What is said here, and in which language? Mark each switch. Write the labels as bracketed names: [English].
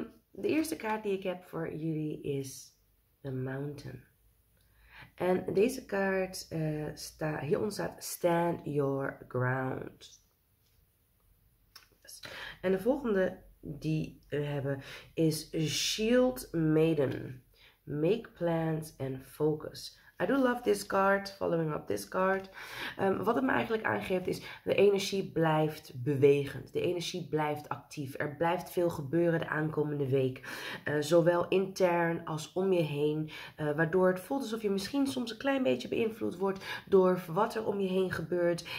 [Dutch] De eerste kaart die ik heb voor jullie is The Mountain. En deze kaart staat Stand Your Ground. Yes. En de volgende die we hebben is Shield Maiden. [English] Make plans and focus. I do love this card, following up this card. [Dutch] Wat het me eigenlijk aangeeft is, de energie blijft bewegend. De energie blijft actief. Er blijft veel gebeuren de aankomende week. Zowel intern als om je heen. Waardoor het voelt alsof je misschien soms een klein beetje beïnvloed wordt door wat er om je heen gebeurt.